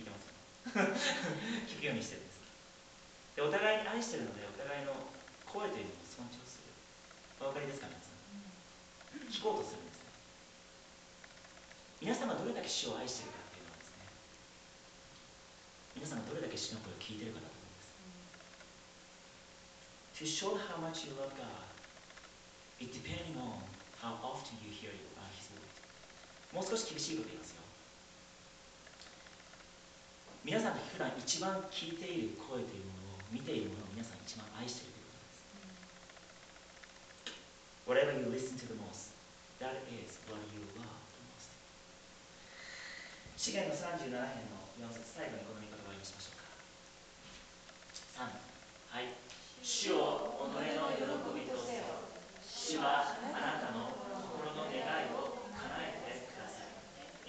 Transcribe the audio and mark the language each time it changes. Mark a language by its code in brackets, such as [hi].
[ja] 聞いてますよ。聞くようにしてるんです。で、お互いに愛してるので、お互いの声というのを尊重する。お分かりですか、皆さん。聞こうとするんですね。皆様どれだけ主を愛してるか。皆さんがどれだけ主の声を聞いているかだと思います。 [en] To show how much you love God, it depending on how often you hear His word. [ja] もう少し厳しいこと言いますよ。皆さんが普段一番聞いている声というものを、見ているものを皆さん一番愛しているということです。 [en] Whatever you listen to the most, that is what you love the most. [ja] 詩篇の37編の4節、最後にこの見方3、はい。主を己の喜びとせよ。主はあなたの心の願いを叶えてください。